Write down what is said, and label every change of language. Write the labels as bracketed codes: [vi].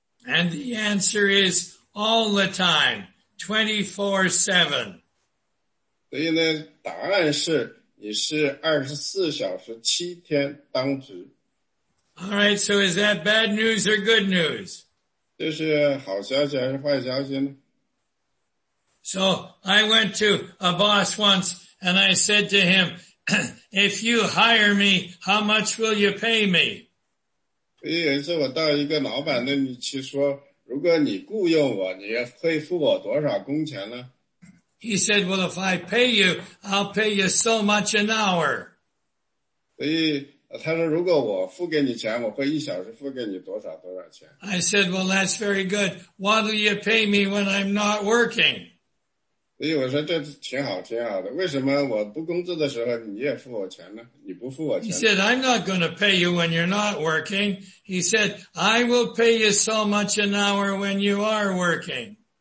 [en] And the answer is all the time, 24/7. [zh] 所以呢，答案是你是24小时7天当值。 [en] All right, so is that bad news or good news? [zh] 这是好消息还是坏消息呢？ [en] So I went to a boss once And I said to him, if you hire me, how much will you pay me? [zh] 有一次我到一个老板那里去说, 如果你雇佣我, 你会付我多少工钱呢? [en] He said, well, if I pay you, I'll pay you so much an hour. [zh] 所以他说如果我付给你钱, 我会一小时付给你多少多少钱? [en] I said, well, that's very good. What will you pay me when I'm not working? [zh] 所以我说这挺好挺好的, 为什么我不工作的时候你也付我钱呢? 你不付我钱呢? [en] He said, I'm not going to pay you when you're not working. He said, I will pay you so much an hour when you are working.